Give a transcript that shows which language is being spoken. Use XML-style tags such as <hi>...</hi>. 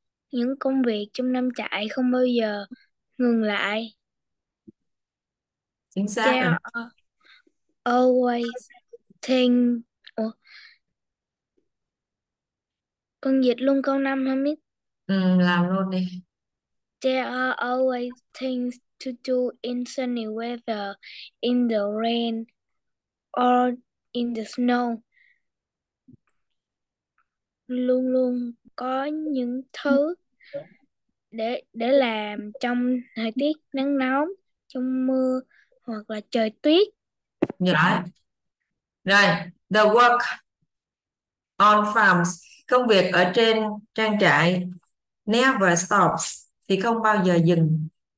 <vi>Những công việc trong nông trại không bao giờ ngừng lại. Chính xác.</vi> <en>There are always things.</en> <vi>Con dịch luôn câu năm hả Mít? Ừ, làm luôn đi.</vi> <en>There are always things to do in sunny weather, in the rain, or in the snow.</en> <vi>Luôn luôn có những thứ để làm trong thời tiết nắng nóng, trong mưa hoặc là trời tuyết. Rồi. Rồi,</vi> <en>the work on farms,</en> <vi>công việc ở trên trang trại,</vi> <en>never stops,</en> <vi>thì không bao giờ dừng.</vi>